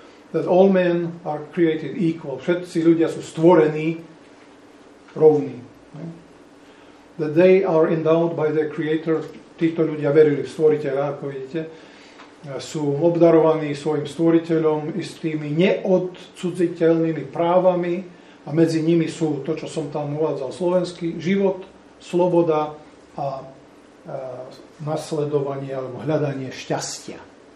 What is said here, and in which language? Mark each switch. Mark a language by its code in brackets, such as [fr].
[en] That all men are created equal. [sk] Všetci ľudia sú stvorení rovní. [en] That they are endowed by their creator. [sk] Títo ľudia verili v stvoriteľa, ako vidíte. Sú obdarovaní svojim stvoriteľom istými neodcudziteľnými právami a medzi nimi sú to, čo som tam uvádzal slovensky, život, sloboda a nasledovanie alebo hľadanie šťastia.